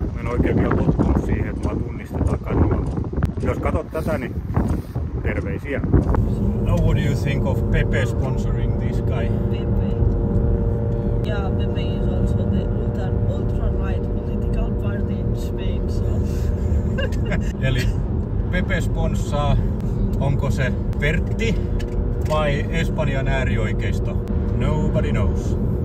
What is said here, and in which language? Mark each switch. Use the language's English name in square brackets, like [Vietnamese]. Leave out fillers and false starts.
[Finnish] Mä en oikein vielä tottunut siihen, että mä tunnistetaan kadulla. Jos katot tätä, niin terveisiä. [English] No, what do you think of Pepe sponsoring this guy? Pepe. Yeah, Pepe is also the ultra-right political party in Spain, so. [Finnish] Eli Pepe sponssaa, onko se Pertti vai Espanjan äärioikeisto? [English] Nobody knows.